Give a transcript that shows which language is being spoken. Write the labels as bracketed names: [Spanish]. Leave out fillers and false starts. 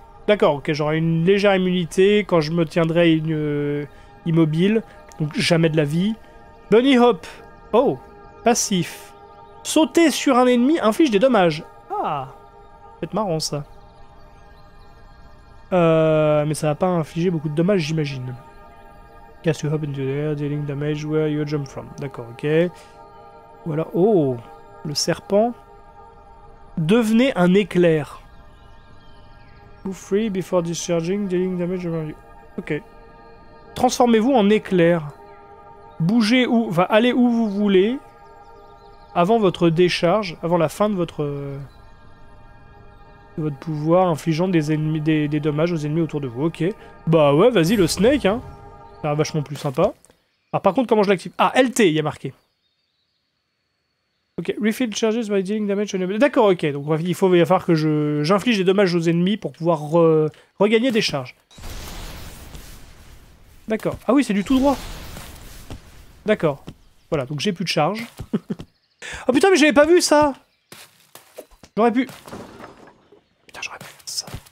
[French] D'accord, ok, j'aurai une légère immunité quand je me tiendrai immobile. Donc jamais de la vie. Bunny hop. Oh, passif. Sauter sur un ennemi inflige des dommages. Ah, c'est marrant ça. Mais ça va pas infliger beaucoup de dommages, j'imagine. [English] Cast you hop into the air, dealing damage where you jump from. [French] D'accord, ok. Ou alors, oh, le serpent. Devenez un éclair. [English] Go free before discharging, dealing damage around you. [French] Ok. Transformez-vous en éclair. Bougez où, va aller où vous voulez. Avant votre décharge, avant la fin de votre pouvoir, infligeant des ennemis, des dommages aux ennemis autour de vous. Ok. Bah ouais, vas-y, le snake, hein. C'est vachement plus sympa. Ah, par contre, comment je l'active? Ah, LT, il y a marqué. [English] Ok, refill charges by dealing damage on enemy. [French] D'accord, ok. Donc, il va falloir que j'inflige des dommages aux ennemis pour pouvoir regagner des charges. D'accord. Ah oui, c'est du tout droit. D'accord. Voilà, donc j'ai plus de charge. Oh putain, mais j'avais pas vu ça! J'aurais pu. Putain, j'aurais pu faire ça.